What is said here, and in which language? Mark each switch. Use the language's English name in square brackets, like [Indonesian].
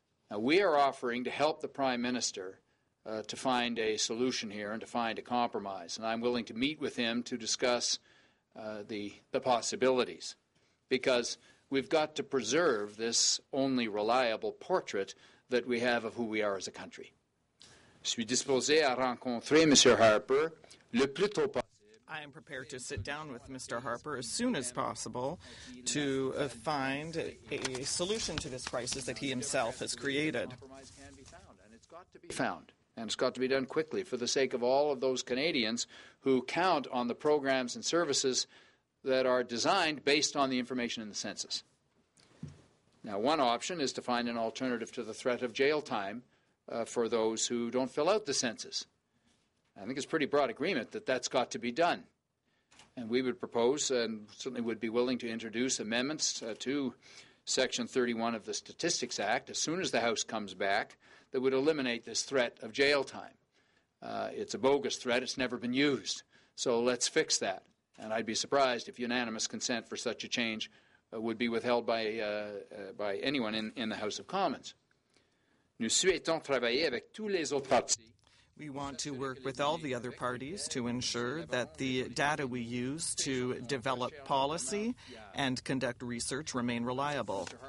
[English] Now, we are offering to help the Prime Minister to find a solution here and to find a compromise, and I'm willing to meet with him to discuss the possibilities, because we've got to preserve this only reliable portrait that we have of who we are as a country. [French] Je suis disposé à rencontrer Monsieur Harper le plus tôt possible. [English] I am prepared to sit down with Mr. Harper as soon as possible to find a solution to this crisis that he himself has created. It's got to be found, and it's got to be done quickly for the sake of all of those Canadians who count on the programs and services that are designed based on the information in the census. Now, one option is to find an alternative to the threat of jail time for those who don't fill out the census. I think it's pretty broad agreement that that's got to be done. And we would propose, and certainly would be willing to introduce amendments to Section 31 of the Statistics Act as soon as the House comes back, that would eliminate this threat of jail time. It's a bogus threat. It's never been used. So let's fix that. And I'd be surprised if unanimous consent for such a change would be withheld by anyone in the House of Commons. [French] Nous souhaitons travailler avec tous les autres partis. [English] We want to work with all the other parties to ensure that the data we use to develop policy and conduct research remain reliable.